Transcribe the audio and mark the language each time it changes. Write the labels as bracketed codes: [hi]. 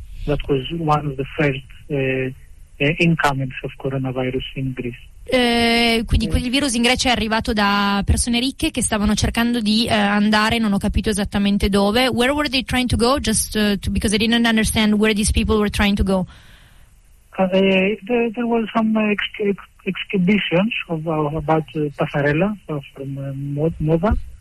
[en] That was one of the first incomings of coronavirus in Greece. [it] Quindi quel virus in Grecia è arrivato da persone ricche che stavano cercando di andare, non ho capito esattamente dove. [en] Where were they trying to go? Because I didn't understand where these people were trying to go. There were some exhibitions about Passarella from Moda.